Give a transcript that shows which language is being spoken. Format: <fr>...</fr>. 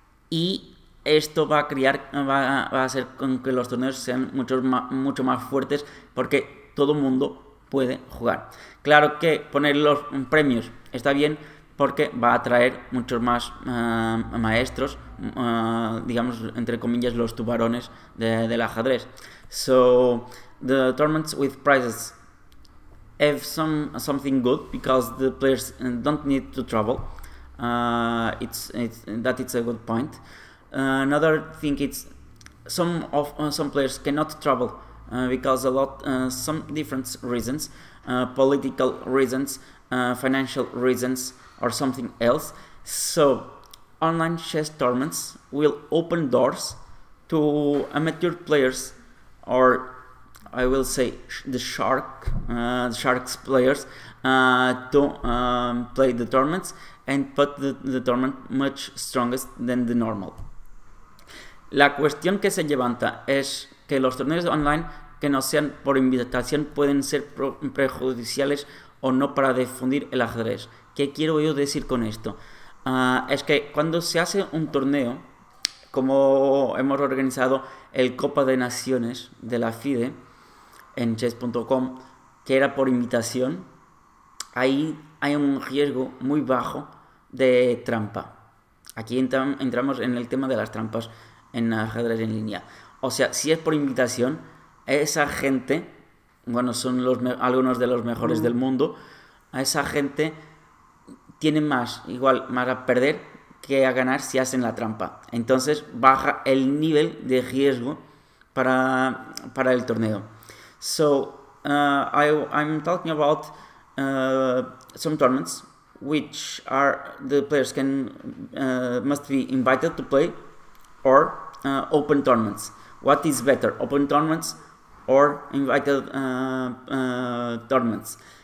<es>Y esto va a crear, va a hacer con que los torneos sean mucho más fuertes porque todo mundo puede jugar. Claro que poner los premios está bien, porque va a atraer muchos más maestros, digamos, entre comillas, los tubarones del ajedrez.</es> <en>So, the tournaments with prizes have something good because the players don't need to travel. It's a good point. Another thing is some players cannot travel because a lot some different reasons, political reasons, financial reasons, or something else. So online chess tournaments will open doors to amateur players, or I will say the sharks players, play the tournaments and put the tournament much stronger than the normal.</en> <es>La cuestión que se levanta es que los torneos online que no sean por invitación pueden ser perjudiciales o no para difundir el ajedrez. ¿Qué quiero yo decir con esto? Es que cuando se hace un torneo, como hemos organizado el Copa de Naciones de la FIDE en chess.com, que era por invitación, ahí hay un riesgo muy bajo de trampa. Aquí entramos en el tema de las trampas en ajedrez en línea. O sea, si es por invitación, esa gente, bueno, son algunos de los mejores del mundo, a esa gente tiene más a perder que a ganar si hacen la trampa. Entonces baja el nivel de riesgo para el torneo.</es> <en>So I'm talking about some tournaments which are the players can must be invited to play, or open tournaments. What is better, open tournaments or invited tournaments?</en>